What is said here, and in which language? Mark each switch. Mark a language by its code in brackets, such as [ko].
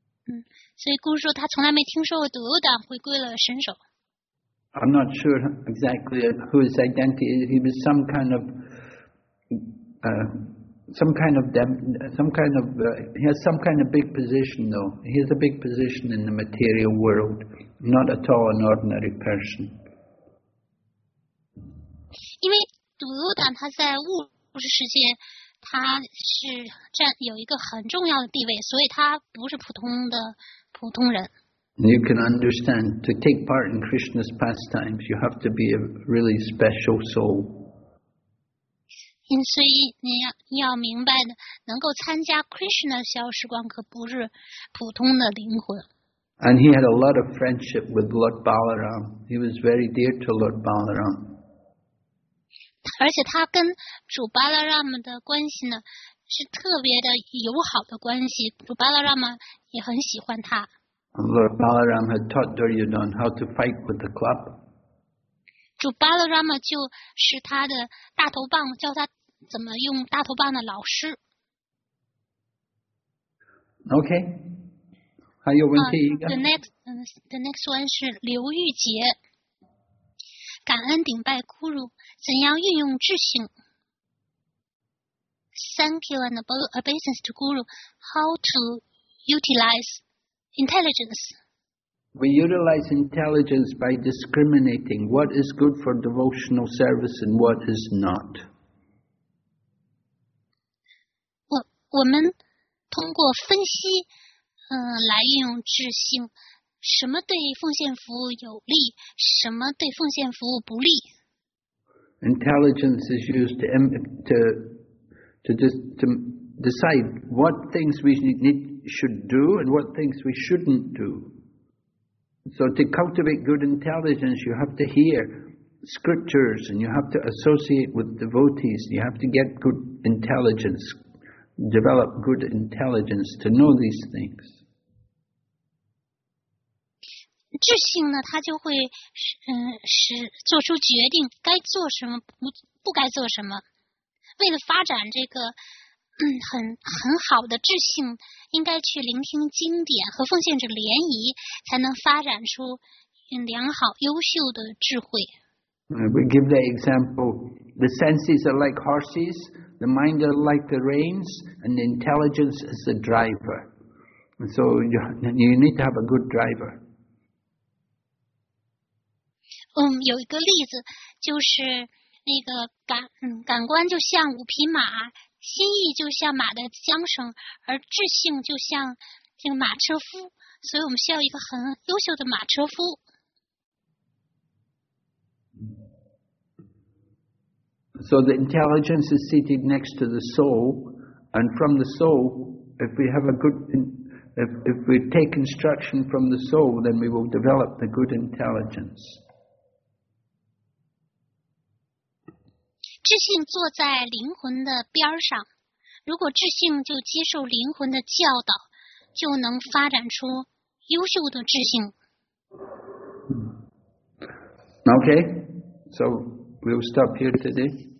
[zh] 所以故事说他从来没听说过独胆回归了神手。 [en] I'm not sure exactly who his identity is. He was he has some kind of big position though. He has a big position in the material world. Not at all an ordinary person. [zh] 因为独胆他在物质世界他是占有一个很重要的地位，所以他不是普通人。 [en] You can understand to take part in Krishna's pastimes, you have to be a really special soul. [zh] 所以你要明白的，能够参加 Krishna 消时光可不是普通的灵魂。 [en] And he had a lot of friendship with Lord Balaram. He was very dear to Lord Balaram. [zh] 而且他跟主巴拉拉姆的关系呢是特别的友好的关系，主巴拉拉姆也很喜欢他。 [en] Lord Balaram had taught Duryodhan how to fight with the club. [zh] 主巴拉拉姆就是他的大头棒，教他怎么用大头棒的老师。 Okay, 还有问题一个。 [en] The next one [zh] 是刘玉杰。感恩顶拜枯乳，怎样运用智性 ？ [en] Thank you and obeisance to Guru. How to utilize intelligence? We utilize intelligence by discriminating what is good for devotional service and what is not. [zh] 我们通过分析，来运用智性。什么对奉献服务有利，什么对奉献服务不利。 [en] Intelligence is used to decide what things we should do and what things we shouldn't do. So to cultivate good intelligence, you have to hear scriptures and you have to associate with devotees. You have to get good intelligence, develop good intelligence to know these things. [zh] 智性呢，他就会做出决定，该做什么不该做什么。为了发展这个很好的智性，应该去聆听经典和奉献者联谊，才能发展出良好优秀的智慧。 [en] We give the example: the senses are like horses, the mind are like the reins, and the intelligence is the driver. So you need to have a good driver. [zh] 有一个例子，就是那个感官就像五匹马，心意就像马的缰绳，而智性就像这个马车夫，所以我们需要一个很优秀的马车夫。 [en] So the intelligence is seated next to the soul, and from the soul, if we have a good, if we take instruction from the soul, then we will develop the good intelligence. [zh] 智性坐在灵魂的边上，如果智性就接受灵魂的教导，就能发展出优秀的智性。 [en] Okay, so we'll stop here today.